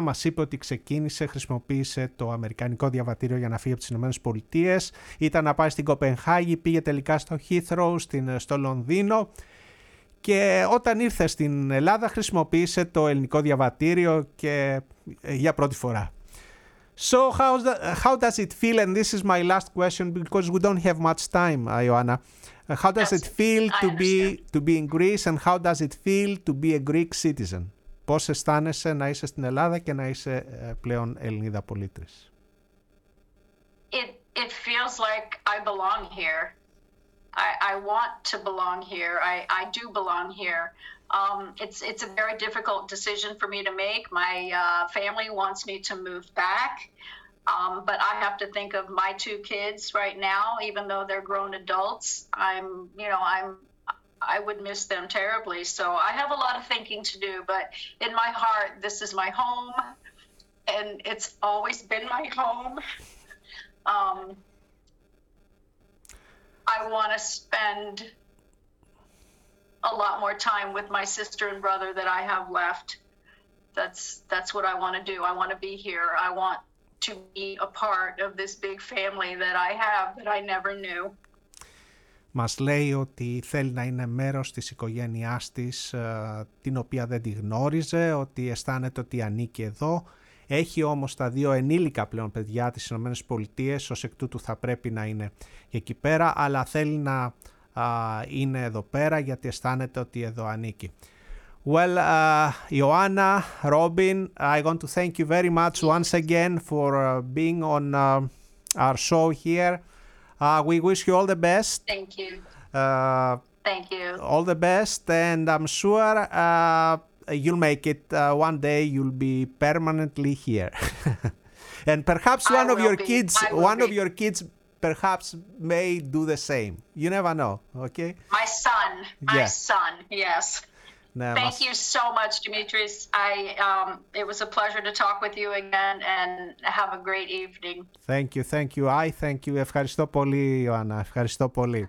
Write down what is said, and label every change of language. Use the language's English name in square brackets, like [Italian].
[Greek] Μας είπε ότι ξεκίνησε, χρησιμοποίησε το αμερικανικό διαβατήριο για να φύγει από τις Ηνωμένες Πολιτείες. Ήταν να πάει στην Κοπενχάγη, πήγε τελικά στο Heathrow, στο Λονδίνο. Και όταν ήρθε στην Ελλάδα, χρησιμοποίησε το ελληνικό διαβατήριο και για πρώτη φορά. [English] So how does it feel, and this is my last question because we don't have much time, Ioana. How does it feel to be in Greece, and how does it feel to be a Greek citizen? [Greek] Πώς αισθάνεσαι να είσαι στην Ελλάδα και να είσαι πλέον Ελληνίδα πολίτης? [English] It feels like I belong here. I want to belong here. I do belong here. It's a very difficult decision for me to make. My family wants me to move back. But I have to think of my two kids right now, even though they're grown adults. I would miss them terribly. So I have a lot of thinking to do, but in my heart, this is my home and it's always been my home. I want to spend a lot more time with my sister and brother that I have left. That's what I want to do. I want to be here. I want to be a part of this big family that I have that I never knew. [Greek] Μας λέει ότι θέλει να είναι μέρος της οικογένειάς της, την οποία δεν τη γνώριζε, ότι αισθάνεται ότι ανήκει εδώ. Έχει όμως τα δύο ενήλικα πλέον παιδιά της Ηνωμένες Πολιτείες, ως εκ τούτου θα πρέπει να είναι εκεί πέρα, αλλά θέλει να είναι εδώ πέρα γιατί αισθάνεται ότι εδώ ανήκει. [English] Well, Ioana, Robin, I want to thank you very much once again for being on our show here. We wish you all the best. Thank you. Thank you. All the best, and I'm sure you'll make it. One day you'll be permanently here. And perhaps one of your kids may do the same. You never know, okay? My son. Yeah. My son, yes. Thank you so much, Dimitris. It was a pleasure to talk with you again, and have a great evening. Thank you. [Greek] Ευχαριστώ πολύ, Ιωάννα. Ευχαριστώ πολύ.